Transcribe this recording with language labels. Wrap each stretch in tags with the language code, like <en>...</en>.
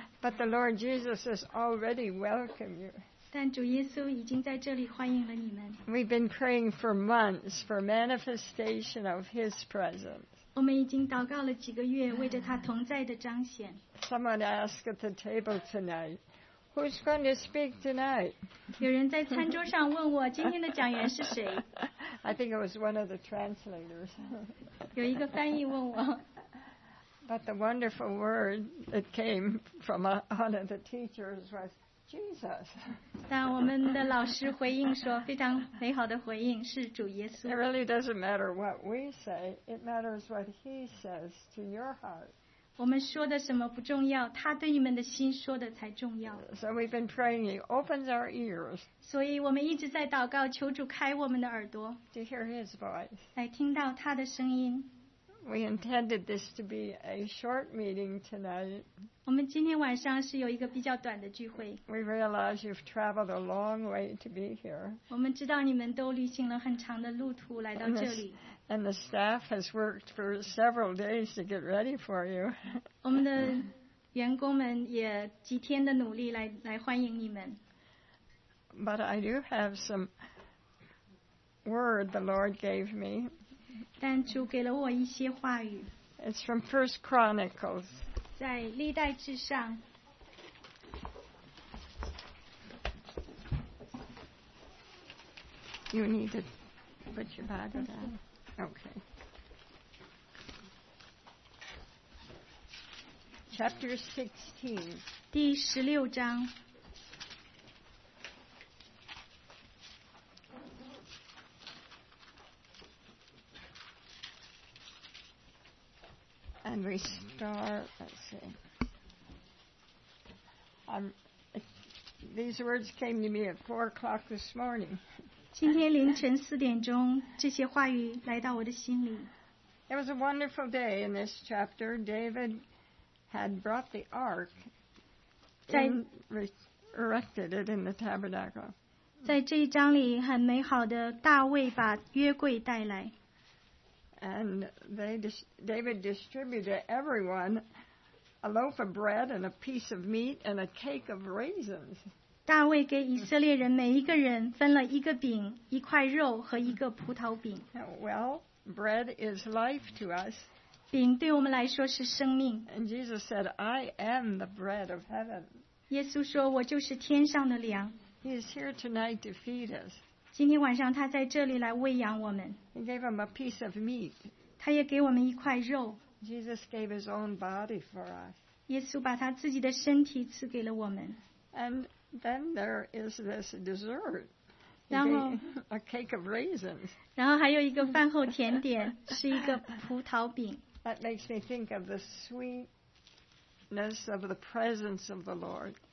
<en>But the Lord Jesus has already welcomed you.</en> <zh>但主耶稣已经在这里欢迎了你们。</zh> <en>We've been praying for months for manifestation of His presence.</en> <zh>我们已经祷告了几个月，为着他同在的彰显。</zh> <en>Someone asked at the table tonight, "Who's going to speak tonight?"</en> <zh>有人在餐桌上问我，今天的讲员是谁？</zh> <en>I think it was one of the translators.</en> <zh>有一个翻译问我。</zh> <en>But the wonderful word that came from one of the teachers was Jesus.</en> <zh>但我们的老师回应说，非常美好的回应是主耶稣。</zh> <en>It really doesn't matter what we say; it matters what He says to your heart.</en> <zh>我们说的什么不重要，他对你们的心说的才重要。</zh> <en>So we've been praying; He opens our ears.</en> <zh>所以我们一直在祷告，求主开我们的耳朵</zh> <en>，to hear His voice.</en> <zh>来听到他的声音。</zh> <en>We intended this to be a short meeting tonight.</en> <zh>我们今天晚上是有一个比较短的聚会。</zh> <en>We realize you've traveled a long way to be here.</en> <zh>我们知道你们都旅行了很长的路途来到这里。</zh> <en>And the staff has worked for several days to get ready for you.</en> <zh>我们的员工们也几天的努力来欢迎你们。</zh> <en>But I do have some word the Lord gave me.</en> <zh>但主给了我一些话语。</zh> <en>It's from First Chronicles.</en> <zh>在历代志上。</zh> <en>You need to put your Bible down. Okay. Chapter 16.</en> <zh>第十六章。</zh> <en>And we start, let's see. These words came to me at 4 o'clock this morning.</en> <zh>今天凌晨四点钟，这些话语来到我的心里。</zh> <en>It was a wonderful day in this chapter. David had brought the ark and erected it in the tabernacle.</en> <zh>在这一章里很美好的，大卫把约柜带来。</zh> <en>And David distributed to everyone a loaf of bread and a piece of meat and a cake of raisins.</en> <zh>大卫给以色列人每一个人分了一个饼、一块肉和一个葡萄饼。</zh> <en>Well, bread is life to us.</en> <zh>饼对我们来说是生命。</zh> <en>And Jesus said, "I am the bread of heaven."</en> <zh>耶稣说，我就是天上的粮。</zh> <en>He is here tonight to feed us.</en> <zh>今天晚上他在这里来喂养我们。</zh> <en>He gave him a piece of meat.</en> <zh>他也给我们一块肉。</zh> <en>Jesus gave his own body for us.</en> <zh>耶稣把他自己的身体赐给了我们。</zh> <en>And then there is this dessert. A cake of raisins.</en> <zh>然后还有一个饭后甜点，是一个葡萄饼。</zh> <en>That makes me think of the sweetness of the presence of the Lord.</en>